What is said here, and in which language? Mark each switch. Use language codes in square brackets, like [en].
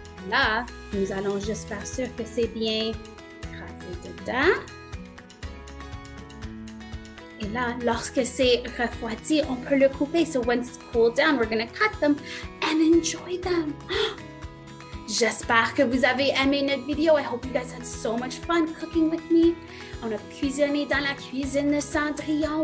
[fr] Là, nous allons juste faire sûr que c'est bien écrasé dedans. Et là, lorsque c'est refroidi, on peut le couper. [en] So once it's cooled down, we're going to cut them and enjoy them. [fr] J'espère que vous avez aimé notre vidéo. [en] I hope you guys had so much fun cooking with me. [fr] On a cuisiné dans la cuisine de Cendrillon.